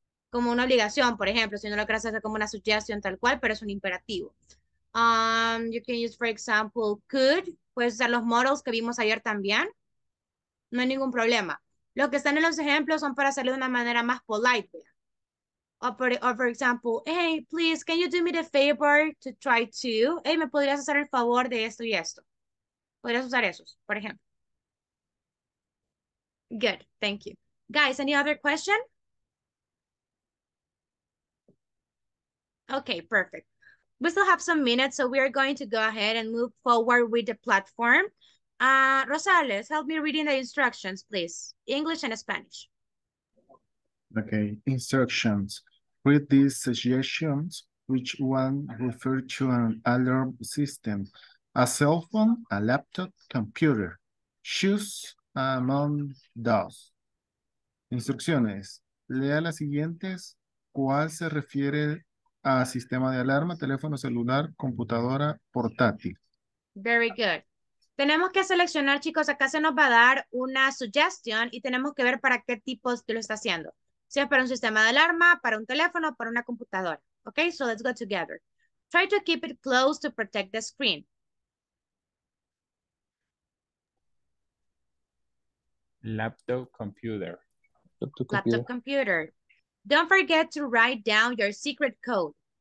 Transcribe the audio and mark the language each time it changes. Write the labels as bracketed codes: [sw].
[es] Como una obligación, por ejemplo. Si no lo quieres hacer como una suggestión tal cual, pero es un imperativo. [en] You can use, for example, could. [es] Puedes usar los models que vimos ayer también. No hay ningún problema. Los que están en los ejemplos son para hacerlo de una manera más polite. [en] O, for example, hey, please, can you do me the favor to try to? [es] Hey, ¿me podrías hacer el favor de esto y esto? Podrías usar esos, por ejemplo. [en] Good, thank you. Guys, any other question? Okay, perfect. We still have some minutes, so we are going to go ahead and move forward with the platform. Rosales, help me reading the instructions, please. English and Spanish. Okay, instructions. Read these suggestions, which one refer to an alarm system, a cell phone, a laptop, computer, shoes, among those. [es] Instrucciones. Lea las siguientes. ¿Cuál se refiere a sistema de alarma, teléfono celular, computadora, portátil? [en] Very good. [es] Tenemos que seleccionar, chicos, acá se nos va a dar una suggestion y tenemos que ver para qué tipo te lo está haciendo. Si es para un sistema de alarma, para un teléfono, para una computadora. [en] Okay, so let's go together. Try to keep it close to protect the screen. Laptop, computer. Laptop, computer. Don't forget to write down your secret code.